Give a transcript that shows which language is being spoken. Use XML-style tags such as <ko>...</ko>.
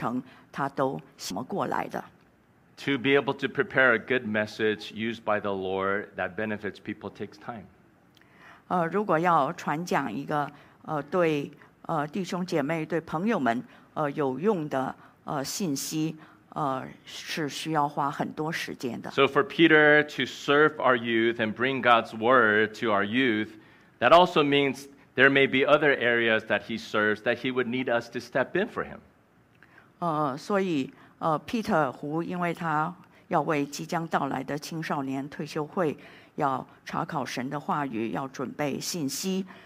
<zh>他在事先的预备，他对神的祷告，他对神话语的查考，还有正道的过程，他都怎么过来的？</zh> <en>To be able to prepare a good message used by the Lord that benefits people takes time.</en> <zh>如果要传讲一个对弟兄姐妹对朋友们 有用的信息是需要花很多时间的。</zh> <en>So for Peter to serve our youth and bring God's word to our youth, that also means there may be other areas that he serves that he would need us to step in for him.</en> <zh>所以Peter胡因为他要为即将到来的青少年退休会要查考神的话语，要准备信息。</zh>